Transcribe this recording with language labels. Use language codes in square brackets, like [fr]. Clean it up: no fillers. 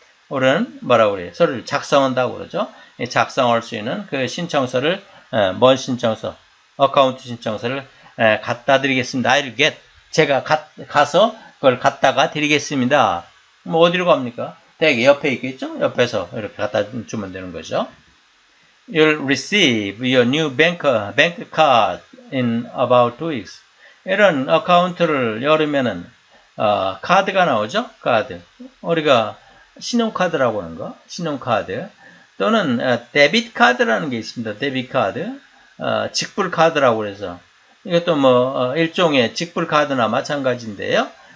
[ko] 우리는 뭐라고 그래요? 서류를 작성한다고 그러죠. 작성할 수 있는 그 신청서를 뭔 신청서? 어카운트 신청서를 갖다 드리겠습니다. [en] I'll get [ko] 제가 가서 그걸 갖다가 드리겠습니다. 뭐 어디로 갑니까? 대게 옆에 있겠죠? 옆에서 이렇게 갖다 주면 되는 거죠. [en] You'll receive your new bank card in about 2 weeks. [ko] 이런 어카운트를 열으면은 카드가 나오죠? 카드. 우리가 신용카드라고 하는 거. 신용카드. 또는 데빗 카드라는 게 있습니다. 데빗 카드. 직불 카드라고 해서. 이것도 뭐 일종의 직불 카드나 마찬가지인데요.